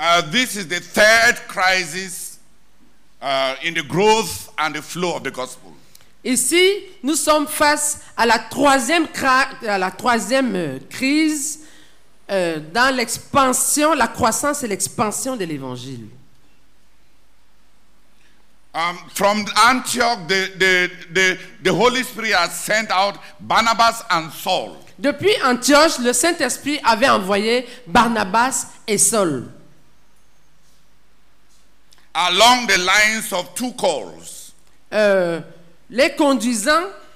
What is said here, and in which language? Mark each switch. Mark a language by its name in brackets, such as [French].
[English] This is the third crisis in the growth and the flow of the gospel. [French] Ici, nous sommes face à la troisième crise dans l'expansion, la croissance et l'expansion de l'évangile. [English] From Antioch, the Holy Spirit has sent out Barnabas and Saul. [French] Depuis Antioche, le Saint-Esprit avait envoyé Barnabas et Saul. [English] Along the lines of two calls. [French] Les conduisant.